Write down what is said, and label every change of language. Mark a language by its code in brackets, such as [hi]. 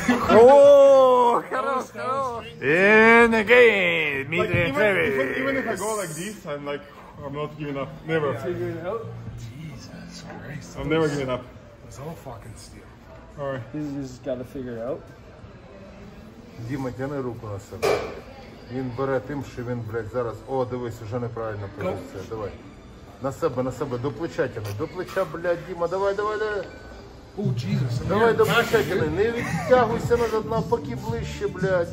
[en] Oh, hello. And again, meet the like, even if I go like this, I'm like, I'm not giving up. Never. Yeah. Jesus Christ. I'm never giving up. It's all fucking steel. Alright. He's just gotta figure it out. [uk] Дима, тяни руку на себе. Він бере тим, що він, блядь, зараз... О, дивись, уже неправильно позиція. [en] Nope. [uk] Давай. На себе, до плеча тяни. До плеча, блядь, Дима, давай, давай, давай. [en] О, Jesus. [uk] Давай до плеча тяни, не відтягуйся назад, навпаки ближче, блядь.